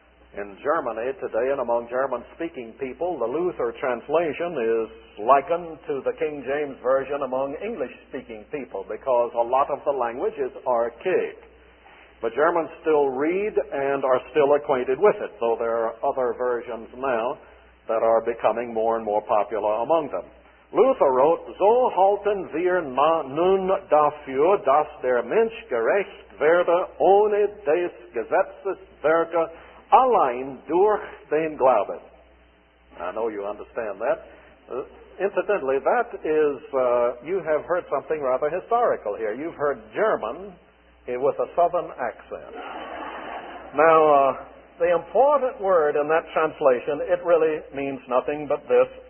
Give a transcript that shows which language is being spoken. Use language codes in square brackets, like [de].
[en] In Germany today, and among German-speaking people, the Luther translation is likened to the King James Version among English-speaking people, because a lot of the language is archaic. But Germans still read and are still acquainted with it, though there are other versions now that are becoming more and more popular among them. Luther wrote, [de] So halten wir nun dafür, dass der Mensch gerecht werde ohne des Gesetzes Werke allein durch den Glauben. [en] I know you understand that. Incidentally, that is, you have heard something rather historical here. You've heard German with a southern accent. Now, the important word in that translation, it really means nothing but this.